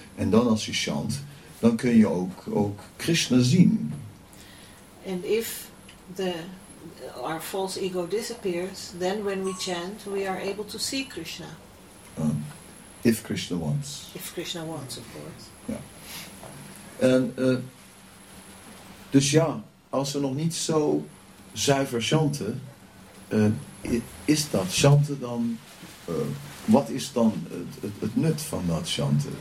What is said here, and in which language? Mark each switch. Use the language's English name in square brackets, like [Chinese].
[Dutch] En dan als je chant, dan kun je ook Krishna zien. [English] And if our false ego disappears, then when we chant, we are able to see Krishna. If Krishna wants. If Krishna wants, of course. [Dutch] Ja. En dus ja, als we nog niet zo zuiver chanten, is dat chanten dan? Wat is dan het nut van dat chanten?